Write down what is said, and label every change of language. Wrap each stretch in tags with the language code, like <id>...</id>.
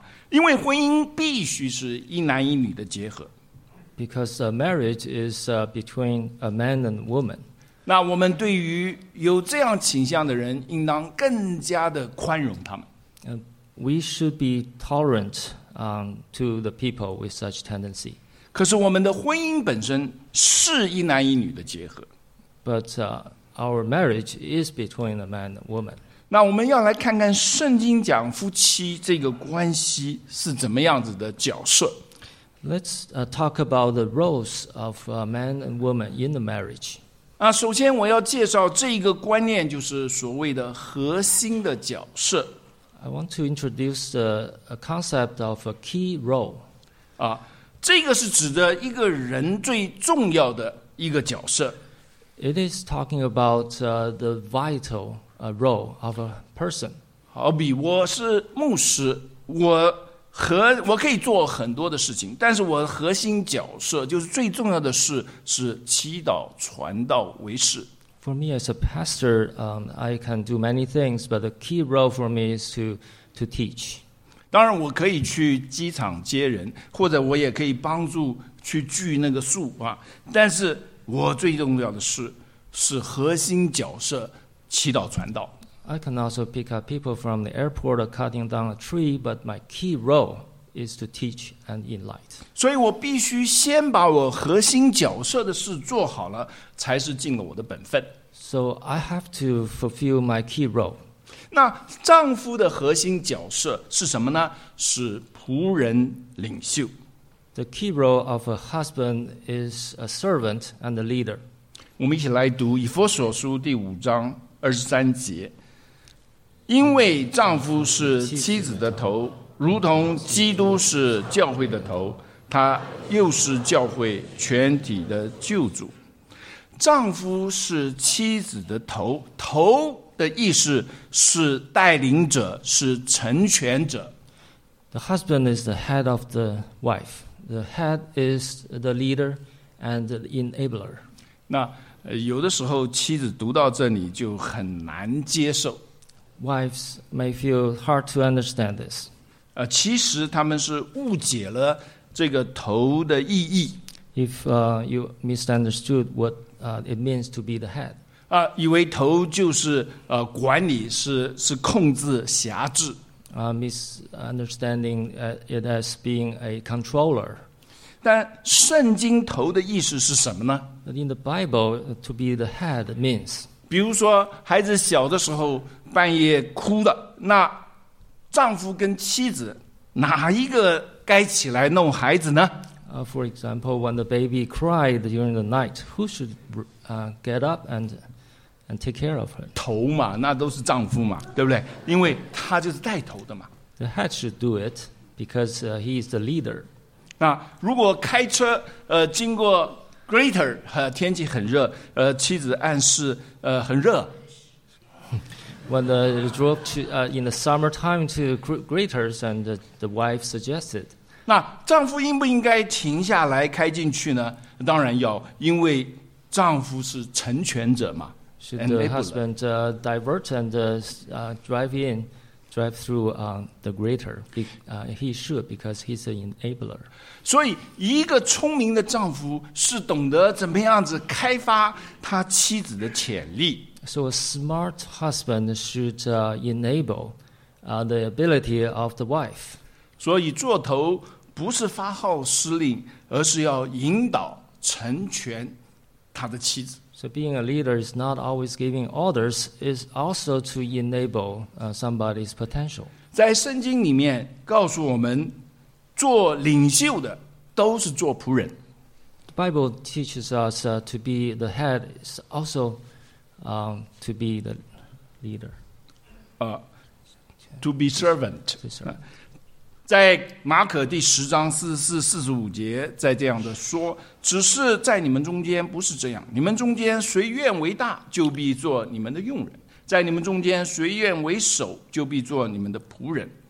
<zh>因为婚姻必须是一男一女的结合。</zh> <en>Because marriage is between a man and a woman.</en> <zh>那我们对于有这样倾向的人应当更加的宽容他们。</zh> <en>We should be tolerant to the people with such tendency.</en> <zh>可是我们的婚姻本身是一男一女的结合。</zh> <en>But our marriage is between a man and a woman.</en> <zh>那我们要来看看圣经讲夫妻这个关系是怎么样子的角色。</zh> <en>Let's talk about the roles of man and woman in the marriage.</en> <zh>首先我要介绍这一个观念，就是所谓的核心的角色。</zh> <en>I want to introduce a concept of a key role.</en> <zh>这个是指的一个人最重要的一个角色。</zh> <en>It is talking about the vital role of a person.</en> <zh>好比我是牧师，我可以做很多的事情，但是我的核心角色就是最重要的事是祈祷、传道、为事。</zh> <en>For me as a pastor, I can do many things, but the key role for me is to teach.</en> <zh>当然，我可以去机场接人，或者我也可以帮助去锯那个树啊。但是我最重要的事是核心角色祈祷、传道。</zh> <en>I can also pick up people from the airport or cutting down a tree, but my key role is to teach and enlighten.</en> <zh>所以我必须先把我核心角色的事做好了，才是尽了我的本分。</zh> <en>So I have to fulfill my key role.</en> <zh>那丈夫的核心角色是什么呢？是仆人领袖。</zh> <en>The key role of a husband is a servant and a leader.</en> <zh>我们一起来读以弗所书第五章二十三节。因为丈夫是妻子的头，如同基督是教会的头，他又是教会全体的救主。丈夫是妻子的头，头的意思是带领者，是成全者。</zh> <en>The husband is the head of the wife. The head is the leader and the enabler.</en> <zh>那有的时候妻子读到这里就很难接受。</zh> <en>Wives may feel hard to understand this.</en> <zh>其实他们是误解了这个头的意义。</zh> <en>If you misunderstood what it means to be the head.</en> <zh>以为头就是管理，是控制辖制。</zh> <en>Misunderstanding it as being a controller.</en> <zh>但圣经头的意思是什么呢？</zh> <en>But in the Bible, to be the head means.</en> <zh>比如说孩子小的时候半夜哭的，那丈夫跟妻子哪一个该起来弄孩子呢？</zh> <en>For example, when the baby cried during the night, who should get up and take care of her?</en> <zh>头嘛，那都是丈夫嘛，对不对？因为他就是带头的嘛。</zh> <en>The head should do it because he is the leader.</en> <zh>那如果开车经过 greater 天气很热，妻子暗示很热。</zh> <en>When the drove to in the summertime to greeters and the wife suggested.</en> <zh>那丈夫应不应该停下来开进去呢？当然要，因为丈夫是成全者嘛。</zh> <en>Should the husband divert and drive in, drive through the greater? He should because he's an enabler.</en> <zh>所以，一个聪明的丈夫是懂得怎么样子开发他妻子的潜力。</zh> <en>So a smart husband should enable the ability of the wife.</en> <zh>所以做头不是发号施令，而是要引导成全他的妻子。</zh> <en>So being a leader is not always giving orders, is also to enable somebody's potential.</en> <zh>在圣经里面告诉我们，做领袖的都是做仆人。</zh> <en>The Bible teaches us to be the head is also to be the leader. To be servant. To servant.</en> <zh>在马可第十章44-45节在这样的说，只是在你们中间不是这样，你们中间谁愿为大就必做你们的用人，在你们中间谁愿为首就必做你们的仆人。</zh>